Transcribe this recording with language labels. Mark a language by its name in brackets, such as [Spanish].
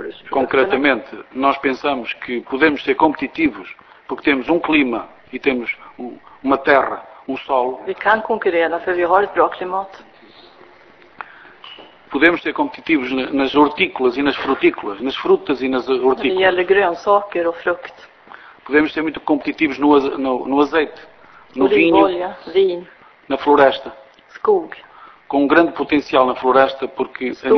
[Portuguese] Concretamente, nós pensamos que podemos ser competitivos porque temos um clima e temos uma terra, um solo. [Swedish] Vi kan konkurrera, för vi har ett bra klimat. [Portuguese] Podemos ser competitivos nas hortícolas e nas frutícolas, nas frutas e nas hortícolas. [Swedish] Det gäller grönsaker och frukt. [Portuguese] Podemos ser muito competitivos no azeite. No vinho, vinho, na floresta, [Swedish] skog. [Portuguese] Com um grande potencial na floresta, porque